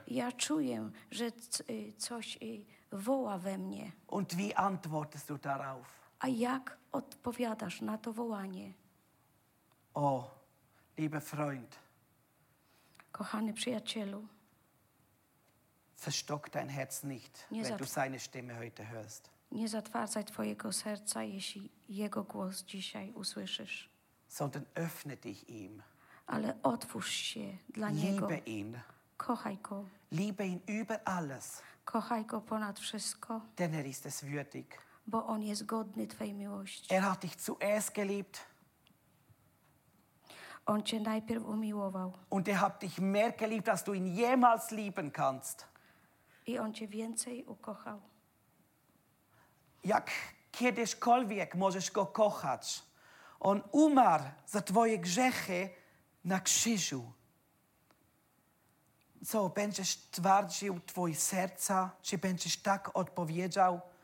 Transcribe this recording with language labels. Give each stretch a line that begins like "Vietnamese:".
Polish: Ja czuję, że coś woła we mnie.
German: Und wie antwortest du darauf?
Polish: A jak odpowiadasz na to wołanie?
German: O, liebe Freund.
Polish: Kochany przyjacielu.
German: Verstock dein Herz nicht, wenn du seine Stimme heute hörst.
Polish: Nie zatwardzaj twojego serca, jeśli jego głos dzisiaj usłyszysz.
German: Sondern öffne dich ihm.
Polish: Ale otwórz się dla niego.
German: Liebe ihn.
Polish: Kochaj go.
German: Liebe ihn über alles.
Polish: Kochaj go ponad wszystko.
German: Denn er ist es würdig.
Polish: Bo on jest godny twojej miłości.
German: Er hat dich zuerst geliebt.
Polish: On cię najpierw umiłował.
German: Und er hat dich mehr geliebt, als du ihn jemals lieben kannst.
Polish: I on cię więcej ukochał. Jak kiedyśkolwiek możesz go kochać, on umarł za twoje grzechy na krzyżu. Co, będziesz twardził twoje serca? Czy będziesz tak odpowiedział?